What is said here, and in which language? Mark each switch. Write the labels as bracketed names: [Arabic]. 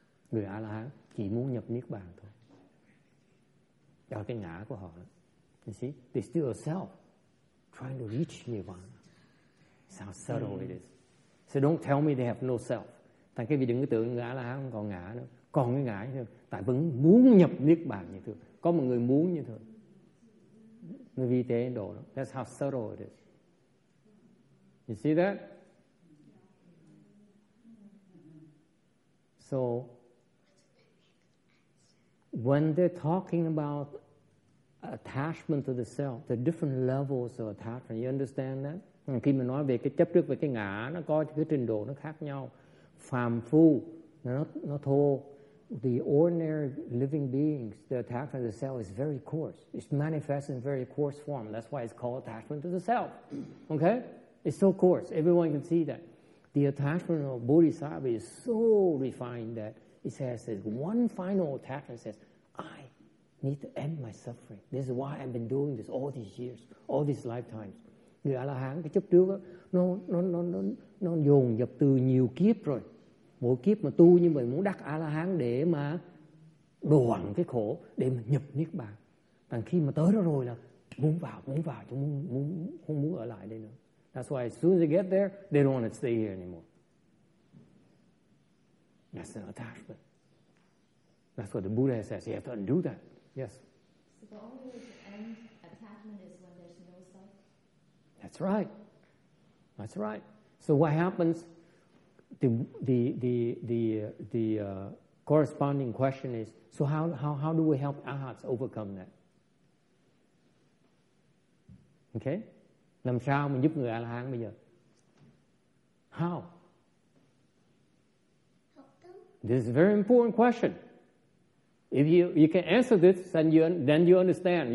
[Vietnamese] Người A-la-hán chỉ muốn nhập niết bàn thôi. Đó là cái ngã của họ. [English] You see? They still a self trying to reach nirvana. It's how subtle it is. So don't tell me they have no self. [Vietnamese] Tại cái vì đừng có tưởng người A-la-hán không còn ngã nữa. Còn cái ngã như thế. Tại vẫn muốn nhập niết bàn như thế. Có một người muốn như thế. Người vi tế đồ đó. [English] That's how subtle it is. You see that? So, when they're talking about attachment to the self, the different levels of attachment, you understand that? [Vietnamese] Khi mà nói về cái chấp trước về cái ngã, nó có cái trình độ nó khác nhau. Phàm phu, nó thô. [English] The ordinary living beings, the attachment to the self is very coarse. It's manifest in very coarse form. That's why it's called attachment to the self. Okay? It's so coarse. Everyone can see that. The attachment of bodhisattva is so refined that it says one final attachment says, I need to end my suffering. This is why I've been doing this all these years, all these lifetimes. [Vietnamese] Người A-la-hán, cái chấp trước, nó dồn dập từ nhiều kiếp rồi. Mỗi kiếp mà tu như vậy, muốn đắc A-la-hán để mà đoạn cái khổ, để mà nhập niết bàn. Còn khi mà tới đó rồi là muốn vào, chứ muốn, không muốn ở lại đây nữa. [English] That's why as soon as they get there, they don't want to stay here anymore. That's an attachment. That's what the Buddha says. You have to undo that. Yes? So the only way to end attachment is when there's no self? That's right. That's right. So what happens? The corresponding question is, so how do we help arhats overcome that? Okay? [Vietnamese] Làm sao mà giúp người A-la-hán bây giờ? [English] How? This is a very important question. If you can answer this, then you understand.